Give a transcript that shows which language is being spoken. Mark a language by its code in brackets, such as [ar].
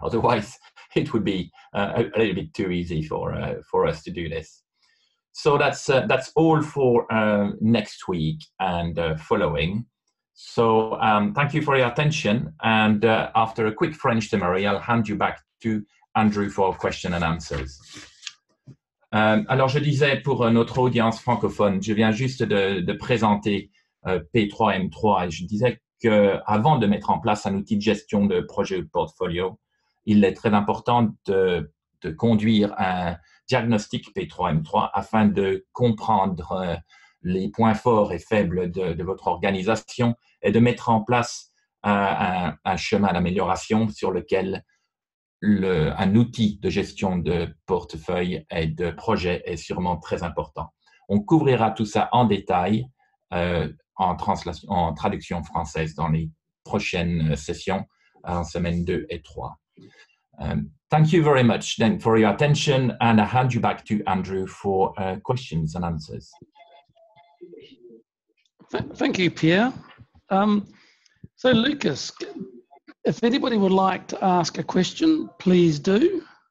[en] Otherwise, it would be a little bit too easy for us to do this. So that's all for next week and following. So thank you for your attention. And after a quick French summary, I'll hand you back to Andrew for questions and answers. [fr] Alors, je disais pour notre audience francophone, je viens juste de présenter P3M3 et je disais qu'avant de mettre en place un outil de gestion de projet ou de portfolio, il est très important de conduire un diagnostic P3M3 afin de comprendre les points forts et faibles de votre organisation et de mettre en place un chemin d'amélioration sur lequel un outil de gestion de portefeuille et de projet est sûrement très important. On couvrira tout ça en détail en traduction française dans les prochaines sessions en semaine 2 et 3. [en] Thank you very much then for your attention, and I hand you back to Andrew for questions and answers. Thank you, Pierre. So Lucas, if anybody would like to ask a question, please do.